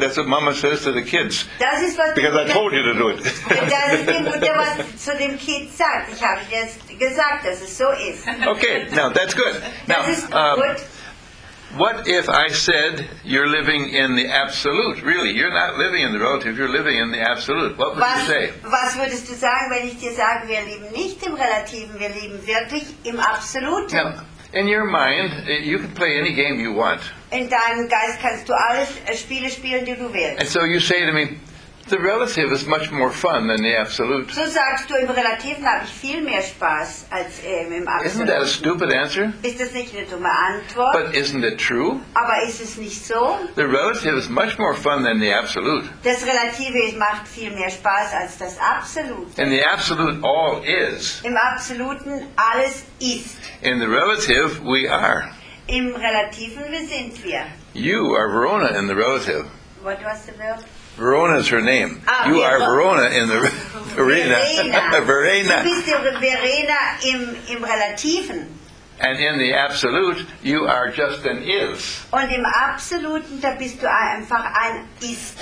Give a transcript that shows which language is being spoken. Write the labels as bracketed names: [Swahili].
[English] That's what Mama says to the kids. [German] Das ist, was [English] because I told you to do it. [German] Das ist die Mutter, was zu dem Kind sagt. Ich habe jetzt gesagt, dass es so ist. [English] Okay, now that's good. Now, [German] das ist good. [English] What if I said you're living in the absolute? Really, you're not living in the relative, you're living in the absolute. What would you say? [German] Was würdest du sagen, wenn ich dir sage, wir leben nicht im Relativen, wir leben wirklich im Absoluten? [English] Now, In your mind, you can play any game you want. [German] In deinem Geist kannst du alles Spiele spielen, die du willst. [English] And so you say to me, the relative is much more fun than the absolute. [German] So sagst du, im Relativen habe ich viel mehr Spaß als im Absoluten. [English] Isn't that a stupid answer? [German] Ist das nicht eine dumme Antwort? [English] But isn't it true? [German] Aber ist es nicht so? [English] The relative is much more fun than the absolute. [German] Das Relative macht viel mehr Spaß als das Absolute. [English] In the absolute, all is. [German] Im Absoluten, alles ist. [English] In the relative, we are. [German] Im Relativen, wir sind wir. [English] You are Verona in the relative. What was the verb? Verona is her name. Ah, you Verona. Are Verona in the Verena. Verena. [German] Du bist Verena im Relativen. [English] And in the absolute, you are just an is. [German] Und im Absoluten, da bist du einfach ein ist.